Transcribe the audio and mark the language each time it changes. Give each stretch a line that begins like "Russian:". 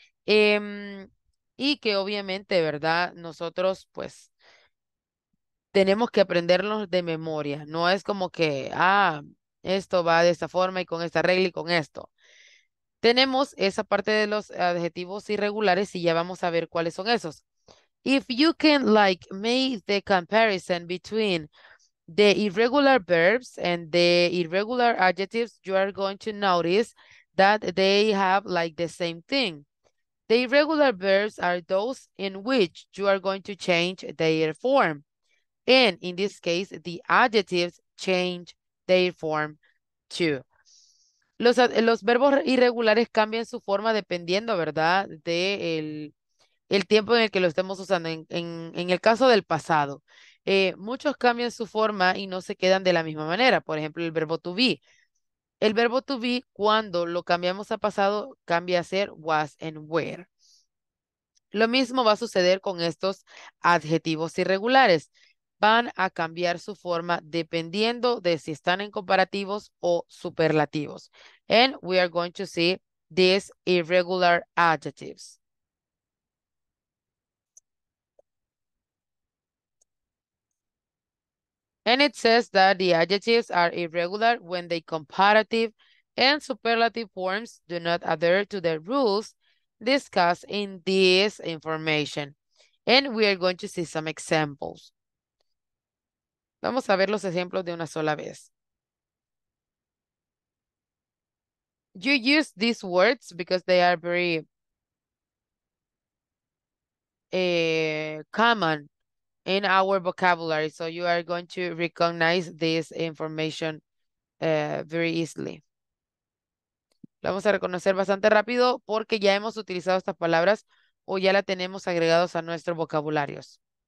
Spanish: Y que obviamente, ¿verdad? Nosotros pues tenemos que aprenderlos de memoria. No es como que, ah, esto va de esta forma y con esta regla y con esto. Tenemos esa parte de los adjetivos irregulares y ya vamos a ver cuáles son esos.
English: If you can like make the comparison between the irregular verbs and the irregular adjectives, you are going to notice that they have like the same thing. The irregular verbs are those in which you are going to change their form. And in this case, the adjectives change their form too.
Spanish: Los verbos irregulares cambian su forma dependiendo, ¿verdad? De el tiempo en el que lo estemos usando. En el caso del pasado, muchos cambian su forma y no se quedan de la misma manera. Por ejemplo, el verbo to be. El verbo to be, cuando lo cambiamos a pasado, cambia a ser
English: was and were.
Spanish: Lo mismo va a suceder con estos adjetivos irregulares. Van a cambiar su forma dependiendo de si están en comparativos o superlativos.
English: And we are going to see these irregular adjectives. And it says that the adjectives are irregular when the comparative and superlative forms do not adhere to the rules discussed in this information. And we are going to see some examples.
Spanish: Vamos a ver los ejemplos de una sola vez.
English: You use these words because they are very common in our vocabulary, so you are going to recognize this information very easily.
Spanish: Vamos a reconocer bastante rápido porque ya hemos utilizado estas palabras o ya la tenemos agregados a nuestros vocabularios.